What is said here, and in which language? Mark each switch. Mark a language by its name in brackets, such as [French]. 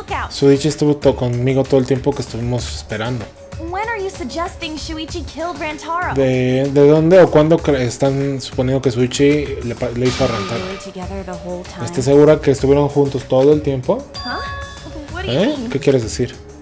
[Spanish] Suichi estuvo conmigo todo el tiempo que estuvimos esperando. [English] When are you suggesting Shuichi killed Rantaro? [Spanish] ¿De dónde o cuándo están suponiendo que Shuichi le hizo a Rantaro? ¿Estás segura que estuvieron juntos todo el tiempo? ¿Eh? ¿Qué quieres decir?